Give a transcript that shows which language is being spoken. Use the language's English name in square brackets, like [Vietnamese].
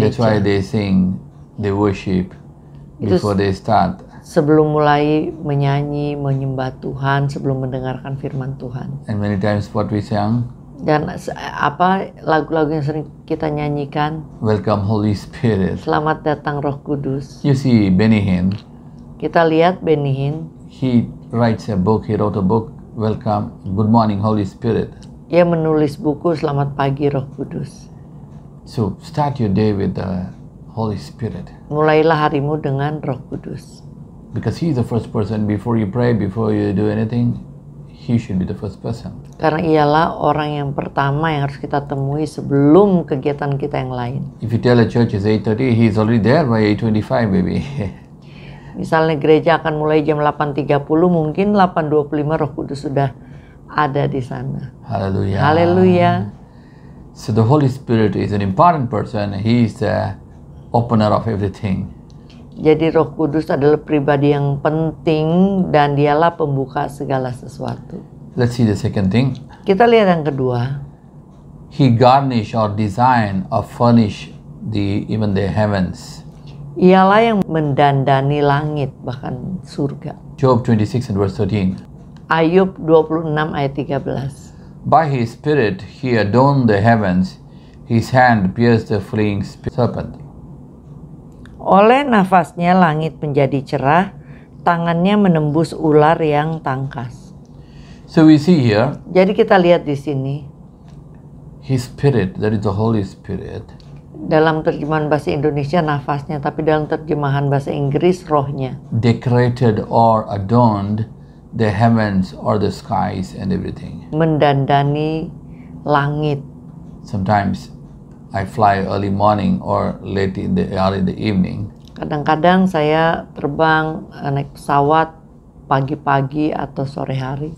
[English] That's why they sing, they worship before they start. [Indonesian] Sebelum mulai menyanyi, menyembah Tuhan, sebelum mendengarkan firman Tuhan. [English] And many times what we sang. [Indonesian] Dan apa lagu-lagu yang sering kita nyanyikan. [English] Welcome Holy Spirit. [Indonesian] Selamat datang Roh Kudus. [English] You see Benny Hinn. [Indonesian] Kita lihat Benny Hinn. [English] He wrote a book, Welcome, Good Morning Holy Spirit. [Indonesian] Ia menulis buku Selamat Pagi Roh Kudus. [English] So start your day with the Holy Spirit. [Indonesian] Mulailah harimu dengan Roh Kudus. [English] Because He is the first person before you pray, before you do anything, He should be the first person. [Indonesian] Karena ialah orang yang pertama yang harus kita temui sebelum kegiatan kita yang lain. [English] If you tell a church it's 8:30, He is already there by 8:25 maybe. [Indonesian] Misalnya gereja akan mulai jam 8:30, mungkin 8:25 Roh Kudus sudah ada di sana. Haleluya. Haleluya. [English] So the Holy Spirit is an important person. He is the opener of everything. [Indonesian] Jadi Roh Kudus adalah pribadi yang penting dan Dialah pembuka segala sesuatu. [English] Let's see the second thing. [Indonesian] Kita lihat yang kedua. [English] He garnish or design or furnish the even the heavens. [Indonesian] Ialah yang mendandani langit, bahkan surga. [English] Job 26 and verse 13. [Indonesian] Ayub 26 ayat 13. [English] By His Spirit He adorned the heavens, His hand pierced the fleeing serpent. [Indonesian] Oleh nafasnya langit menjadi cerah, tangannya menembus ular yang tangkas. [English] So we see here. [Indonesian] Jadi kita lihat di sini. [English] His spirit, that is the Holy Spirit. [Indonesian] Dalam terjemahan bahasa Indonesia nafasnya, tapi dalam terjemahan bahasa Inggris rohnya. [English] Decorated or adorned the heavens or the skies and everything. [Indonesian] Mendandani langit. [English] Sometimes I fly early morning or late in the early in the evening. [Indonesian] Kadang-kadang saya terbang naik pesawat pagi-pagi atau sore hari.